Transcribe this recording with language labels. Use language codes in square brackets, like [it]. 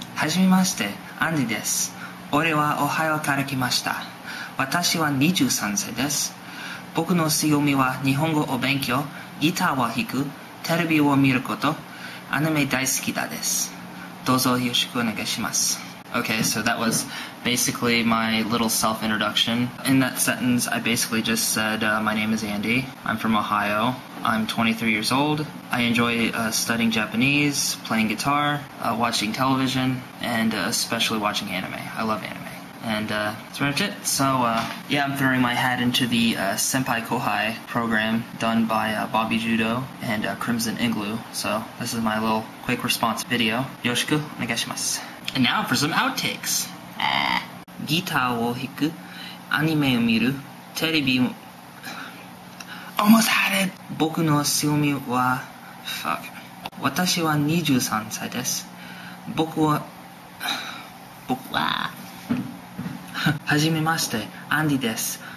[ja] はじめまして、アンディです。俺はオハイオから来ました。私は23歳です。僕の強みは日本語を勉強、ギターを弾く、テレビを見ること、アニメ大好きだです。どうぞよろしくお願いします。 [en] Okay, so that was basically my little self-introduction. In that sentence, I basically just said, my name is Andy. I'm from Ohio. I'm 23 years old. I enjoy studying Japanese, playing guitar, watching television, and especially watching anime. I love anime. And that's pretty much it. So, yeah, I'm throwing my hat into the Senpai Kohai program done by Bobby Judo and Crimson Igloo. So this is my little quick response video. [ja] Yoshiku onegaishimasu. [en] And now for some outtakes. [ja] ギターを弾く、アニメを見る、テレビも。 [en] Almost had it! [ja] 僕の強みは、 [en] fuck. [ja] 私は23歳です。僕は、はじめまして、アンディです。